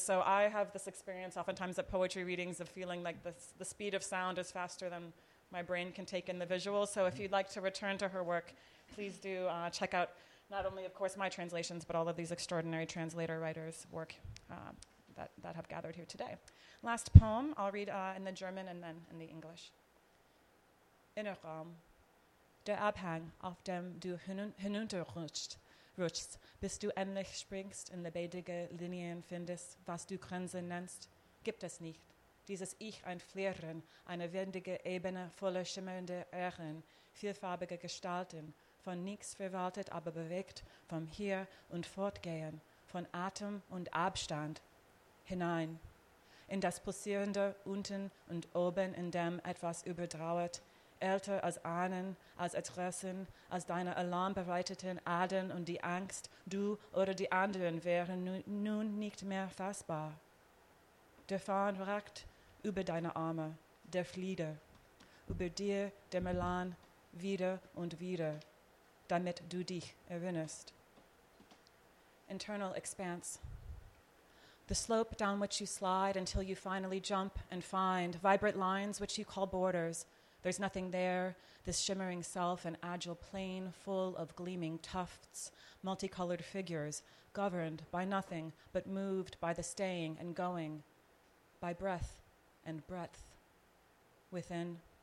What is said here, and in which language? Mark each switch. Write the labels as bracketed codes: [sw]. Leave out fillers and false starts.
[en] So I have this experience oftentimes at poetry readings of feeling like the speed of sound is faster than my brain can take in the visuals. So if you'd like to return to her work, please do check out not only, of course, my translations, but all of these extraordinary translator writers' work that have gathered here today. Last poem I'll read in the German and then in the English. [de] Innerraum. Der Abhang, auf dem du hinunterrutschst, bis du endlich springst in lebendige Linien findest, was du Grenze nennst, gibt es nicht. Dieses Ich ein Flirren, eine windige Ebene voller schimmernder Ähren, vielfarbige Gestalten, von nichts verwaltet, aber bewegt, vom Hier und Fortgehen, von Atem und Abstand hinein. In das Pulsierende unten und oben, in dem etwas überdrauert, älter als Ahnen, als Adressen, als deine alarmbereiteten Adern und die Angst, du oder die anderen wären nun nicht mehr fassbar. Der Farn ragt über deine Arme, der Flieder, über dir der Melan wieder und wieder, damit du dich erinnerst. [en] Internal Expanse. The slope down which you slide until you finally jump and find vibrant lines which you call borders. There's nothing there, this shimmering self, an agile plane full of gleaming tufts, multicolored figures, governed by nothing but moved by the staying and going, by breath and breadth within.